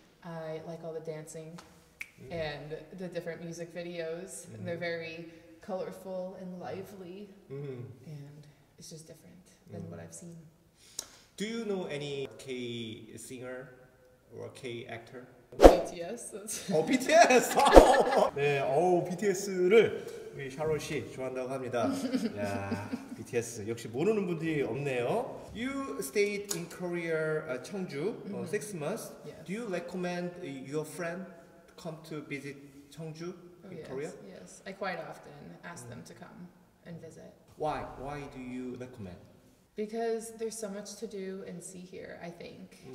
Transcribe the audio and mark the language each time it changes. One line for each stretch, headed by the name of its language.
English: I like all the dancing and the different music videos. They're very colorful and lively. And it's just different than what I've seen. Do you know any K singer or K actor? BTS. Oh, BTS. Oh.
Korean: 네, BTS를 우리 샬롯 씨 좋아한다고 합니다. 야, BTS 역시 모르는 분들이 없네요.
English: You stayed in Korea, 청주, 6 months. Yes. Do you recommend your friend come to visit 청주 in Korea? Yes, I quite often ask them to come and visit. Why? Why do you recommend? Because there's so much to do and see here, I think.